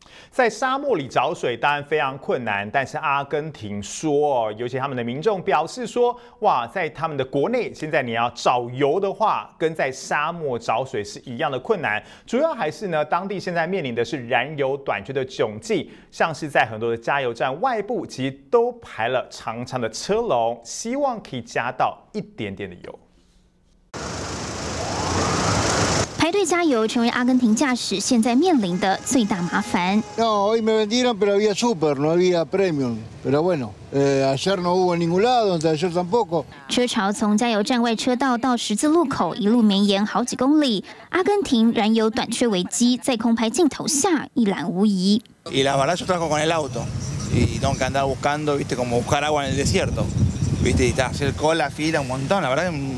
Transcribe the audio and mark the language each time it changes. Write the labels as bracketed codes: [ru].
[zh] 在沙漠里找水当然非常困难，但是阿根廷说，尤其他们的民众表示说，哇，在他们的国内现在你要找油的话跟在沙漠找水是一样的困难，主要还是呢当地现在面临的是燃油短缺的窘境，像是在很多的加油站外部其实都排了长长的车龙，希望可以加到一点点的油。排队加油成为阿根廷驾驶现在面临的最大麻烦。 [es] No, hoy me vendieron, pero había super, no había premium. Pero bueno, ayer no hubo en ningún lado, ayer tampoco. [zh] 车潮从加油站外车道到十字路口一路绵延好几公里。阿根廷燃油短缺危机在空拍镜头下一览无遗。 [es] Y las balas yo trajo con el auto, y tengo que andar buscando, viste, como buscar agua en el desierto, viste, y hacer cola, fila, un montón, la verdad.